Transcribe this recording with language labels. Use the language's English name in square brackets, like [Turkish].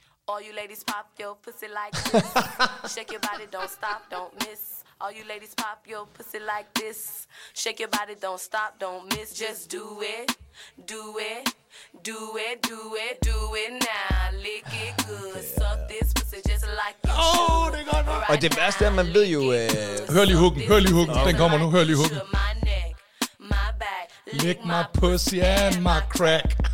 [English] All you ladies pop your pussy like this. Shake your body, don't stop, don't miss. All you ladies pop your pussy like this. Shake your body, don't stop, don't miss. Just do it, do it, do it, do it, do it now. Lick it good, suck this pussy just like it should. [Danish] Oh, det er godt. Og det værste er, man ved jo... Hør lige hukken, den kommer nu, hør lige hukken. [English] My neck, my back, lick my pussy and my crack.